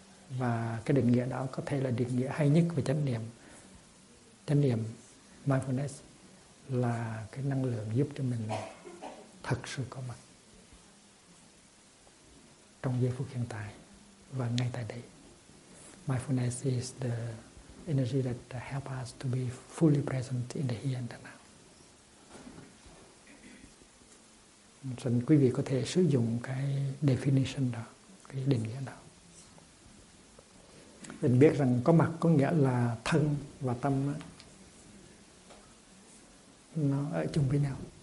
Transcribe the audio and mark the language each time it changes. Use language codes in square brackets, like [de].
[vi] Và cái định nghĩa đó có thể là định nghĩa hay nhất về chánh niệm. Chánh niệm mindfulness là cái năng lượng giúp cho mình thật sự có mặt trong giây phút hiện tại và ngay tại đây. [en] Mindfulness is the energy that help us to be fully present in the here and the now. [vi] Xin quý vị có thể sử dụng cái definition đó, cái định nghĩa đó. Mình biết rằng có mặt có nghĩa là thân và tâm đó, nó ở chung với nhau.